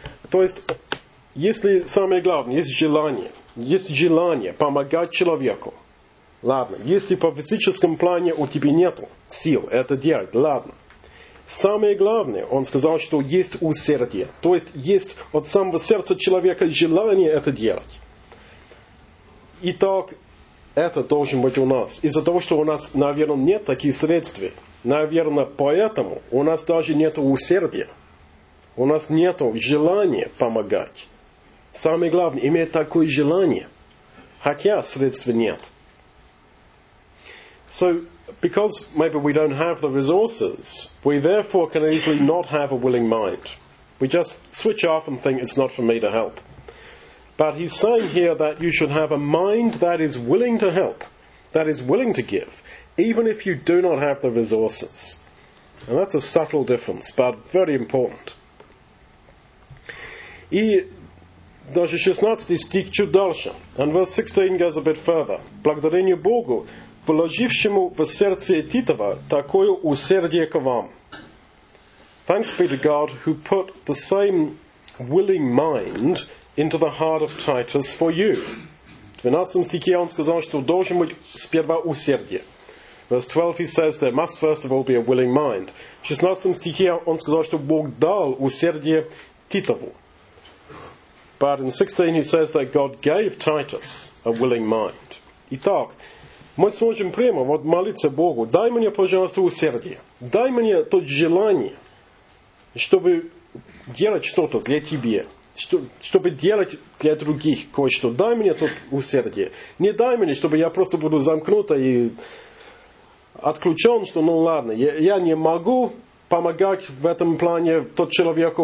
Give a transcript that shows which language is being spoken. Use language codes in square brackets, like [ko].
[ru] То есть, если самое главное, есть желание помогать человеку. Ладно, если по физическому плане у тебя нет сил это делать, ладно. Самое главное, он сказал, что есть усердие. То есть, есть от самого сердца человека желание это делать. Итак, это должен быть у нас. Из-за того, что у нас, наверное, нет таких средств. Наверное, поэтому у нас даже нет усердия. У нас нет желания помогать. Самое главное, иметь такое желание. Хотя средств нет. [en] So, because maybe we don't have the resources, we therefore can easily not have a willing mind. We just switch off and think, it's not for me to help. But he's saying here that you should have a mind that is willing to help, that is willing to give, even if you do not have the resources. And that's a subtle difference, but very important. [ru] И даже 16 стих чуть дальше. [en] And verse 16 goes a bit further. [ru] Благодарение Богу, вложившему в сердце Титова такое усердие к вам. [en] Thanks be to God who put the same willing mind into the heart of Titus for you. [ru] В 12 стихе он сказал, что должен быть сперва усердие. [en] Verse 12 he says there must first of all be a willing mind. [ru] В 16 стихе он сказал, что Бог дал усердие Титову. [en] But in 16 he says that God gave Titus a willing mind. [ru] Итак, мы сможем прямо вот молиться Богу, дай мне, пожалуйста, усердие. Дай мне то желание, чтобы делать что-то для тебя, чтобы делать для других кое-что. Дай мне то усердие. Не дай мне, чтобы я просто буду замкнут и отключен, что ну ладно, я не могу помогать в этом плане тот человеку.